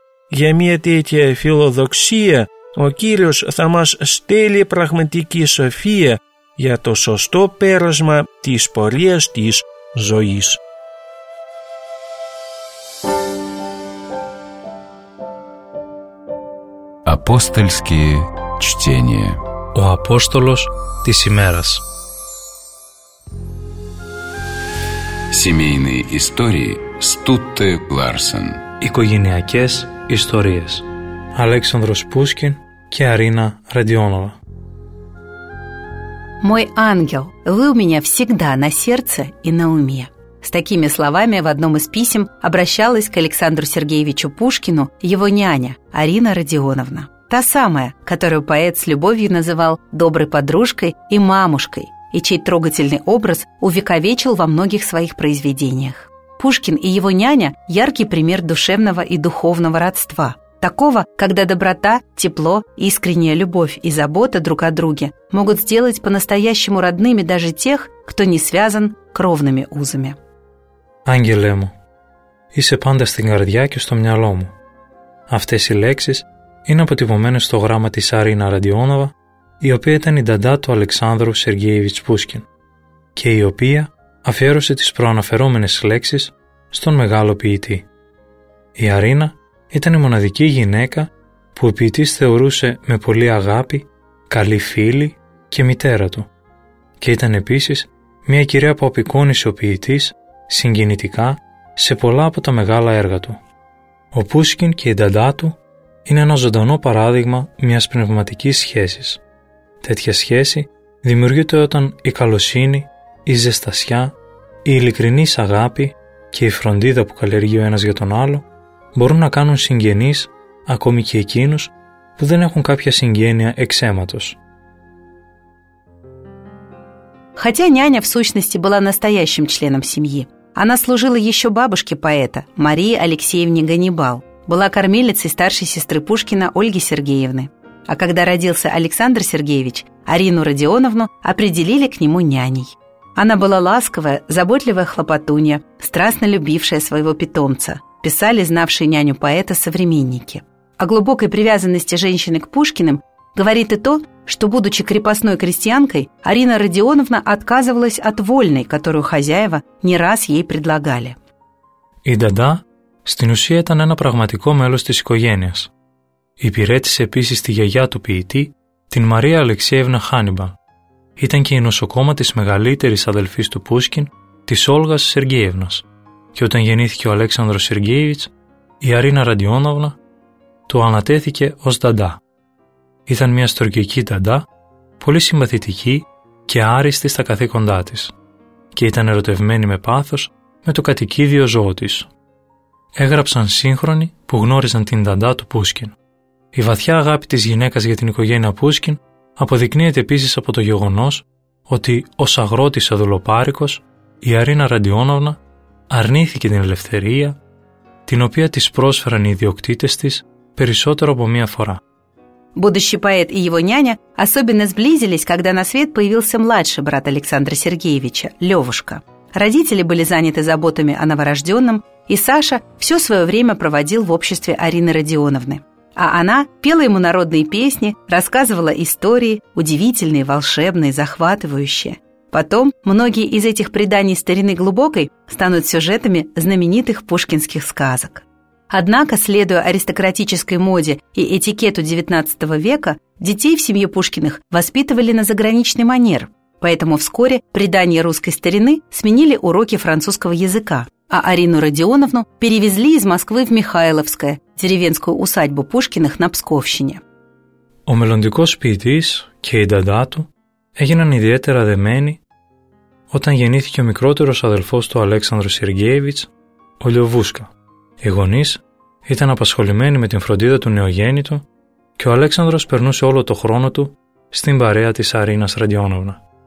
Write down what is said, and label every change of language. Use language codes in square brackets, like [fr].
[el] Για μια τέτοια φιλοδοξία ο Κύριος θα μας στέλνει πραγματική σοφία για το σωστό πέρασμα της πορείας της ζωής. [ru] Апостольские чтение. [el] Ο Апостолος της ημέρας. [ru] Семейные истории Стутте Ларсен. [el] Οικογενειακές ιστορίες. Αλέξανδρος Πούσκιν και Αρίνα Ραντιόνοβα. [ru] «Мой ангел, вы у меня всегда на сердце и на уме». С такими словами в одном из писем обращалась к Александру Сергеевичу Пушкину его няня Арина Родионовна. Та самая, которую поэт с любовью называл «доброй подружкой» и «мамушкой», и чей трогательный образ увековечил во многих своих произведениях. Пушкин и его няня – яркий пример душевного и духовного родства. Такого, когда доброта, тепло, искренняя любовь и забота друг о друге могут сделать по-настоящему родными даже тех, кто не связан кровными узами. [el] Ангеле мой, είσαι πάντα στην καρδιά και στο μυαλό μου. Αυτές οι λέξεις είναι αποτυπωμένες στο γράμμα της Αρίνα Ραντιόνοβα, η οποία ήταν η νταντά του Αλεξάνδρου Σεργέιβιτς Πούσκιν και η οποία αφιέρωσε τις προαναφερόμενες λέξεις στον μεγάλο ποιητή. Η Αρίνα ήταν η μοναδική γυναίκα που ο ποιητής θεωρούσε με πολύ αγάπη, καλή φίλη και μητέρα του. Και ήταν επίσης μια κυρία που απεικόνισε ο ποιητής συγκινητικά σε πολλά από τα μεγάλα έργα του. Ο Πούσκιν και η νταντά του είναι ένα ζωντανό παράδειγμα μιας πνευματικής σχέσης. Τέτοια σχέση δημιουργείται όταν η καλοσύνη, η ζεστασιά, η ειλικρινής αγάπη και η φροντίδα που καλλιεργεί ο ένας για τον άλλο μπορούν να κάνουν συγγενείς ακόμη και εκείνους που δεν έχουν κάποια συγγένεια εξαίματος. [ru] Хотя няня в сущности была настоящим членом семьи, она служила еще бабушке поэта Марии Алексеевне Ганнибал, была кормилицей старшей сестры Пушкина Ольги Сергеевны. А когда родился Александр Сергеевич, Арину Родионовну определили к нему няней. Она была ласковая, заботливая хлопотунья, страстно любившая своего питомца, писали знавшие няню поэта современники. О глубокой привязанности женщины к Пушкиным говорит и то, что, будучи крепостной крестьянкой, Арина Родионовна отказывалась от вольной, которую хозяева не раз ей предлагали. [el] И Дада, στην ουσία, ήταν ένα πραγματικό μέλος της οικογένειας. Υπηρέτησε επίσης τη γιαγιά του ποιητή, την Μαρία Αλεξέευνα Χάνιμπα. Ήταν και η νοσοκόμα της μεγαλύτερης αδελφής του Πούσκιν, της Όλγας Σεργέευνας. Και όταν γεννήθηκε ο Αλέξανδρος Σεργέιβιτς, η Αρίνα Ραντιόνοβνα του ανατέθηκε ως νταντά. Ήταν μια στουρκική νταντά, πολύ συμπαθητική και άριστη στα καθήκοντά της. Και ήταν ερωτευμένη με πάθος με το κατοικίδιο ζώο της. Έγραψαν σύγχρονοι που γνώριζαν την νταντά του Πούσκιν. Η βαθιά αγάπη της γυναίκας για την οικογένεια Πούσκιν αποδεικνύεται επίσης από το γεγονός ότι ως αγρότης αδουλοπάρικος, η Αρίνα Ραντιόνοβνα αρνήθηκε την ελευθερία, την οποία της πρόσφεραν οι ιδιοκτήτες της περισσότερο από μία φορά. [ru] Будущий поэт и его няня особенно сблизились, когда на свет появился младший брат Александра Сергеевича, Левушка. Родители были заняты заботами о новорожденном, и Саша все свое время проводил в обществе Арины Родионовны. А она пела ему народные песни, рассказывала истории, удивительные, волшебные, захватывающие. Потом многие из этих преданий старины глубокой станут сюжетами знаменитых пушкинских сказок. Однако, следуя аристократической моде и этикету XIX века, детей в семье Пушкиных воспитывали на заграничный манер. Поэтому вскоре предания русской старины сменили уроки французского языка, а Арину Родионовну перевезли из Москвы в Михайловское, деревенскую усадьбу Пушкиных на Псковщине. [el] Ο μελλοντικός ποιητής και η νταντά του έγιναν ιδιαίτερα δεμένοι όταν γεννήθηκε ο μικρότερος αδελφός του Αλέξανδρου Σεργέιβιτς, ο Λιοβούσκα. Οι γονείς ήταν απασχολημένοι με την φροντίδα του νεογέννητου και ο Αλέξανδρος περνούσε όλο το χρόνο του στην παρέα της Αρίνας Ραντιόνοβνα.